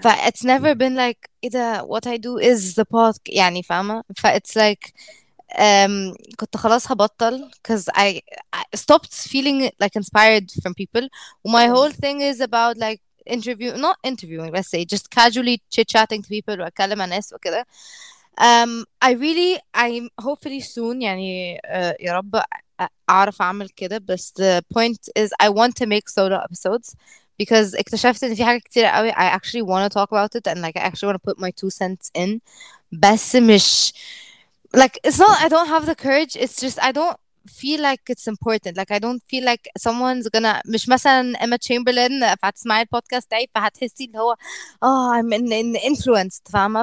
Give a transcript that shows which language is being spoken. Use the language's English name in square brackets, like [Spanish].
[English] But it's never been like either what I do is the podcast, [Arabic] يعني فاهمة. [English] It's like [Arabic] كنت خلاص هبطل, [English] cause I stopped feeling like inspired from people. My whole thing is about like not interviewing, let's say just casually chit chatting to people, [Arabic] وأكلم الناس وكده. [English] I'm hopefully soon, [Arabic] يعني يا رب أعرف أعمل كده. [English] But the point is, I want to make solo episodes. Because [Arabic] اكتشفت ان في حاجة كتير قوي [English] I actually want to talk about it, and like I actually want to put my two cents in. [Arabic] بس مش [English] like, it's not I don't have the courage, it's just I don't feel like it's important. Like I don't feel like someone's gonna, [Arabic] مش مثلا [English] Emma Chamberlain [Arabic] فهتسمعي البودكاست تاعي فهتحسي اللي هو [English] oh I'm in influenced, [Arabic] فاهمة.